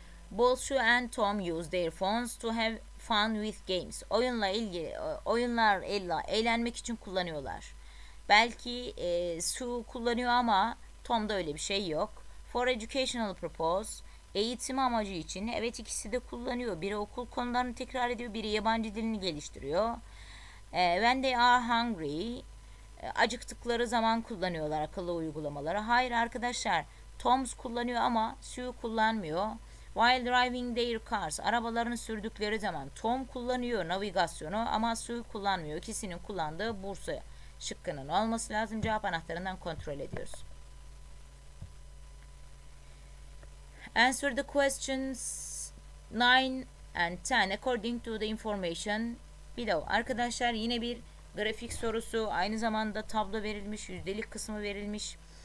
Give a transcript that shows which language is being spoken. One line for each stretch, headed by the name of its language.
English: Both Sue and Tom use their phones to have fun with games.
Turkish: Oyunlarla eğlenmek için kullanıyorlar. Belki Sue kullanıyor ama Tom'da öyle bir şey yok.
English: For educational purpose,
Turkish: eğitim amacı için. Evet, ikisi de kullanıyor. Biri okul konularını tekrar ediyor, biri yabancı dilini geliştiriyor.
English: When they are hungry,
Turkish: acıktıkları zaman kullanıyorlar akıllı uygulamaları. Hayır arkadaşlar, Tom's kullanıyor ama Sue kullanmıyor.
English: While driving their cars,
Turkish: arabalarını sürdükleri zaman Tom kullanıyor navigasyonu ama Sue kullanmıyor. İkisinin kullandığı Bursa şıkkının olması lazım. Cevap anahtarından kontrol ediyoruz.
English: Answer the questions 9 and 10 according to the information below.
Turkish: Arkadaşlar, yine bir grafik sorusu, aynı zamanda tablo verilmiş, yüzdelik kısmı verilmiş.